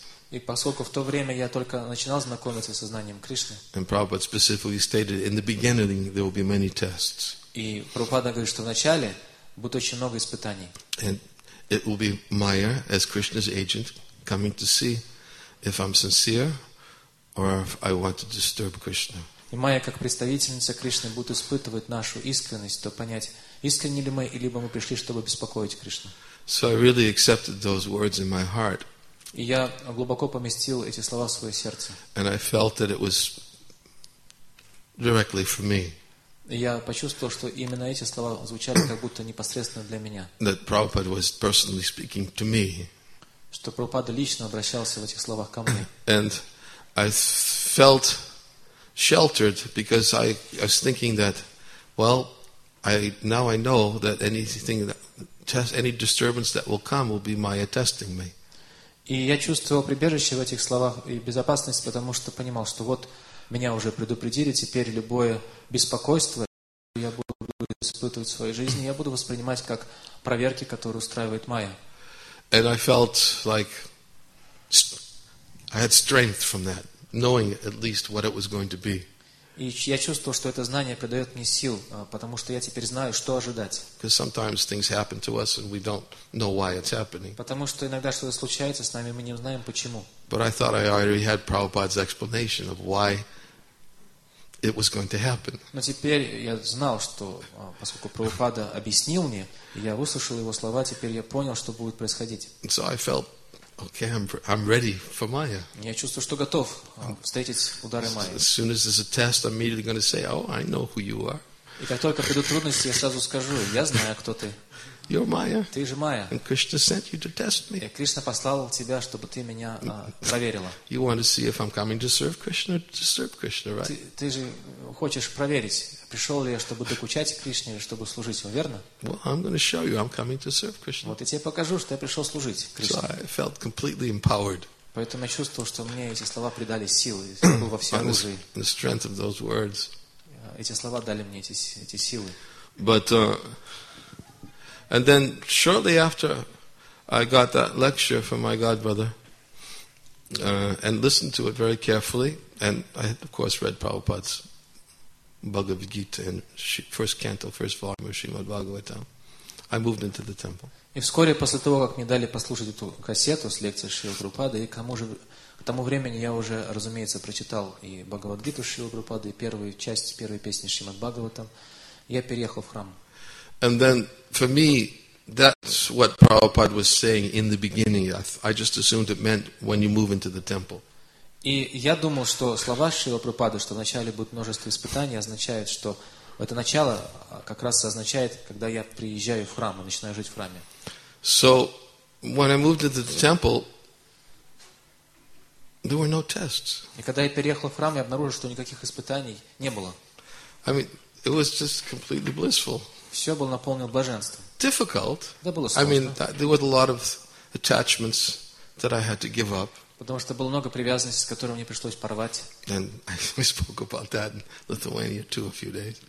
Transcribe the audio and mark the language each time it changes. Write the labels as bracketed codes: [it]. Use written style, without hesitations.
[ru] И поскольку в то время я только начинал знакомиться с сознанием Кришны, и [en] Прабхупада specifically stated, in the beginning there will be many tests. [ru] И Прабхупада говорит, что вначале будет очень много испытаний. [en] It will be Maya as Krishna's agent coming to see if I'm sincere or if I want to disturb Krishna. [ru] И Майя, как представительница Кришны, будет испытывать нашу искренность, чтобы понять, искренни ли мы, либо мы пришли, чтобы беспокоить Кришну. [en] So I really accepted those words in my heart. [ru] И я глубоко поместил эти слова в свое сердце. [en] And I felt that it was directly for me. [ru] Я почувствовал, что именно эти слова звучали как будто непосредственно для меня. [en] That Prabhupada was personally speaking to me. [ru] Что Прабхупада лично обращался в этих словах ко мне. [en] And I felt sheltered because I was thinking that, well, I know that any disturbance that will come will be Maya testing me. [ru] И я чувствовал прибежище в этих словах и безопасность, потому что понимал, что вот меня уже предупредили, теперь любое беспокойство, я буду испытывать в своей жизни, я буду воспринимать как проверки, которые устраивает Майя. [en] And I felt like I had strength from that, knowing at least what it was going to be. [ru] И я чувствовал, что это знание придает мне сил, потому что я теперь знаю, что ожидать. [en] Because sometimes things happen to us and we don't know why it's happening. [ru] Потому что иногда что-то случается с нами, мы не знаем почему. [en] But I thought I already had Prabhupada's explanation of why it was going to happen. [ru] Но теперь я знал, что поскольку Прабхупада объяснил мне, я услышал его слова, теперь я понял, что будет происходить. [en] So I felt, okay, I'm ready for Maya. [ru] Я чувствую, что готов встретить удары Майи. [en] As soon as there's a test, I'm immediately going to say, oh, I know who you are. [ru] И как только придут трудности, я сразу скажу, я знаю, кто ты. [en] You're Maya. [ru] Ты же Майя. [en] And Krishna sent you to test me. [ru] И Кришна послал тебя, чтобы ты меня проверила. [en] You want to see if I'm coming to serve Krishna or to disturb Krishna, right? [ru] Ты же хочешь проверить, пришел ли я, чтобы докучать Кришне или чтобы служить ему, верно? [en] Well, I'm going to show you I'm coming to serve Krishna. [ru] Вот я тебе покажу, что я пришел служить Кришне. [en] So I felt completely empowered. [ru] Поэтому я чувствовал, что мне эти слова придали силы, я был во всем оружии. [en] And the strength of those words. [ru] Эти слова дали мне эти силы. [en] But And then shortly after I got that lecture from my godbrother and listened to it very carefully. And I, of course, read Prabhupada's Bhagavad Gita in first canto, first volume of Srimad Bhagavatam. I moved into the temple. [ru] И вскоре после того, как мне дали послушать эту кассету с лекцией Шрилы Прабхупады, и к тому времени я уже, разумеется, прочитал и Бхагавад-гиту Шрилы Прабхупады, и первую часть, первую песню Шримад Бхагаватам, я переехал в храм. [en] And then, for me, that's what Prabhupada was saying in the beginning. I just assumed it meant when you move into the temple. [ru] И я думал, что слова Шрилы Прабхупады, что вначале будет множество испытаний, означают, что это начало как раз означает, когда я приезжаю в храм и начинаю жить в храме. [en] So, when I moved into the temple, there were no tests. [ru] И когда я переехал в храм, я обнаружил, что никаких испытаний не было. [en] I mean, it was just completely blissful. [ru] Все было наполнено блаженством. [en] Difficult. [ru] Да, было сложно. [en] I mean, there was a lot of attachments that I had to give up. [ru] Потому что было много привязанностей, с которыми мне пришлось порвать. [en] And we spoke about that in Lithuania too a few days.